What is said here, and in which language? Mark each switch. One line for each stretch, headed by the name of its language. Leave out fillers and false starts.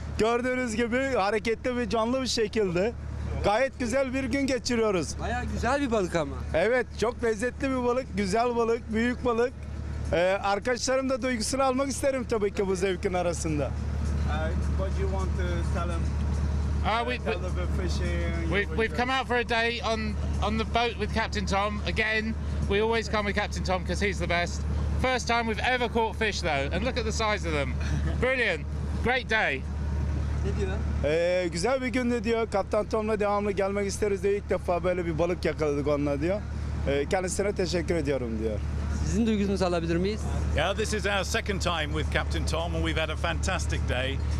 Turkish: Gördüğünüz gibi hareketli ve canlı bir şekilde. Gayet güzel bir gün geçiriyoruz. Bayağı güzel bir balık ama. Evet, çok lezzetli bir balık. Güzel balık, büyük balık. Arkadaşlarım da duygusunu almak isterim tabii ki bu zevkin arasında.
English: What do you want to tell them? We've come out for a day on the boat with Captain Tom. Again, we always come with Captain Tom because he's the best. First time we've ever caught fish though, and look at the size of them. Brilliant. Great day.
Turkish: Güzel bir gündü diyor. Kaptan Tom'la devamlı gelmek isteriz diyor. İlk defa böyle bir balık yakaladık onunla diyor. Kendisine teşekkür ediyorum diyor. Sizin duygunuzu alabilir miyiz?
English: Yeah, this is our second time with Captain Tom and we've had a fantastic day.